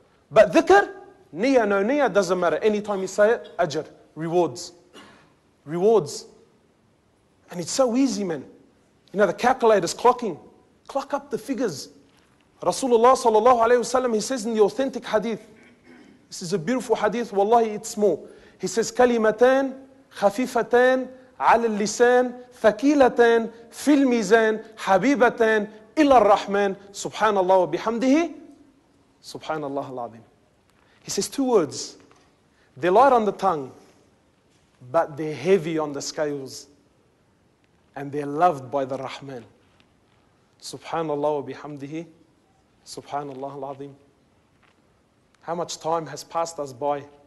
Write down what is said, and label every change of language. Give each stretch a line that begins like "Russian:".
English: But dhikr, niyyah, no niyyah, doesn't matter. Anytime you say it, ajr, rewards. Rewards. And it's so easy, man. You know, the calculator's clocking. Clock up the figures. Rasulullah sallallahu alayhi wa sallam, he says in the authentic hadith, this is a beautiful hadith, wallahi, it's small. He says,
Arabic: كلمتان خفيفتان على اللسان ثقيلتان في الميزان حبيبتان إلى الرحمن سبحان الله وبحمده سبحان الله العظيم.
English: He says two words. They're light on the tongue, but they're heavy on the scales. And they're loved by the Rahman. Subhanallah wa bihamdihi. Subhanallah al-Azim. How much time has passed us by?